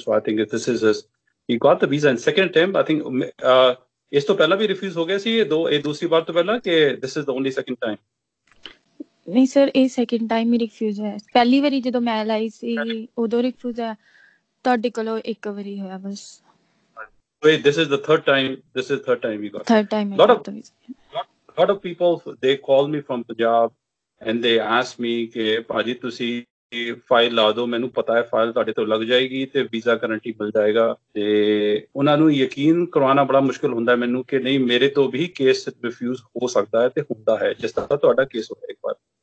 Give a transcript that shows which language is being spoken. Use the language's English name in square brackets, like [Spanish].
[English] So I think if this is us, he got the visa in second time. I think [Punjabi] ਇਸ ਤੋਂ ਪਹਿਲਾਂ ਵੀ refuse ਹੋ ਗਿਆ ਸੀ ਇਹ ਦੂਸਰੀ ਵਾਰ ਤੋਂ ਪਹਿਲਾਂ ਕਿ [English] this is the only second time? [Punjabi] ਨਹੀਂ ਸਰ, ਇਹ ਸੈਕਿੰਡ ਟਾਈਮ ਹੀ ਰਿਫਿਊਜ਼ ਹੈ. ਪਹਿਲੀ ਵਾਰੀ ਜਦੋਂ ਮੈਂ ਲਾਈ ਸੀ ਉਦੋਂ ਰਿਫਿਊਜ਼ ਹੈ, ਤੁਹਾਡੇ ਕੋਲੋਂ ਇੱਕ ਵਾਰੀ ਹੋਇਆ ਬਸ. [English] Wait, this is the third time. This is third time we got. Third time. Lot of people, they call me from Punjab and they ask me [Punjabi] ke paaji tusi file ਲਾ ਦੋ, ਮੈਨੂੰ ਪਤਾ ਹੈ ਫਾਈਲ ਤੁਹਾਡੇ ਤੋਂ ਲੱਗ ਜਾਏਗੀ ਤੇ ਵੀਜ਼ਾ ਗਰੰਟੀ ਮਿਲ ਜਾਏਗਾ, ਤੇ ਉਹਨਾਂ ਨੂੰ ਯਕੀਨ ਕਰਵਾਉਣਾ ਬੜਾ ਮੁਸ਼ਕਲ ਹੁੰਦਾ ਹੈ ਮੈਨੂੰ ਕਿ ਨਹੀਂ ਮੇਰੇ ਤੋਂ ਵੀ ਕੇਸ ਰਿਫਿਊਜ਼ ਹੋ ਸਕਦਾ ਹੈ ਤੇ ਹੁੰਦਾ ਹੈ, ਜਿਸ ਤਰ੍ਹਾਂ ਤੁਹਾਡਾ ਕੇਸ ਹੋਇਆ ਇੱਕ ਵਾਰ.